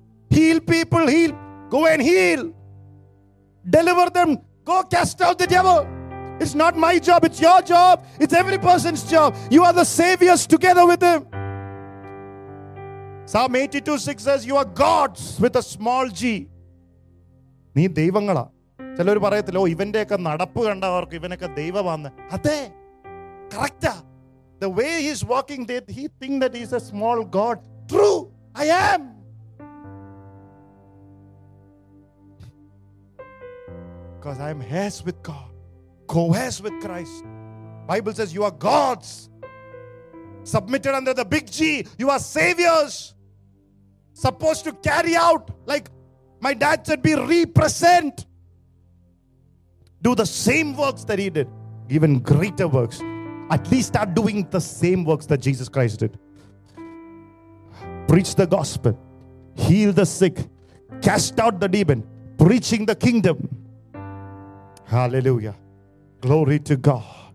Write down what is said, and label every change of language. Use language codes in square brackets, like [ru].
[en] Heal people, heal. Go and heal. Deliver them. Go cast out the devil. It's not my job, it's your job. It's every person's job. You are the saviors together with him. Psalm 82:6 says, you are gods with a small g. [ml] നീ ദൈവങ്ങളാ. ചിലർ പറയത്തില്ലോ, ഇവന്റെ ഒക്കെ നടപ്പ് കണ്ട അവർക്ക് ഇവനൊക്കെ ദൈവമാണ്. അതെ, correct. [en] The way he is walking, he think that is a small god. True, I am. Because I am heirs with God, coheirs with Christ. Bible says you are gods submitted under the big G. You are saviours supposed to carry out. Like my dad said, be represent. Do the same works that he did, even greater works. At least start doing the same works that Jesus Christ did. Preach the gospel, heal the sick, cast out the demon, preaching the kingdom. Hallelujah. Glory to God.